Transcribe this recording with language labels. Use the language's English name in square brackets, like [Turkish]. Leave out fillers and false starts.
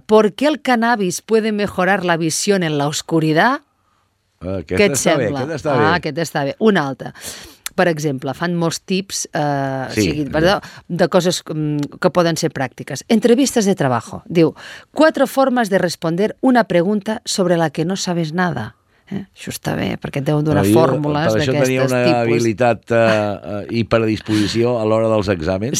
[Spanish] ¿Por qué el cannabis puede mejorar la visión en la oscuridad? [Catalan] Aquest, què et sembla? Bé, aquest està bé. Ah, aquest està bé. Una altra. Per exemple, fan molts tips de coses que poden ser pràctiques. Entrevistes de treball. Diu, 4 formes [Spanish] de responder una pregunta sobre la que no sabes nada. [Catalan] Això està bé, perquè et deuen donar fórmules d'aquestes tipus. Per això tenia una habilitat i per a disposició a l'hora dels exàmens.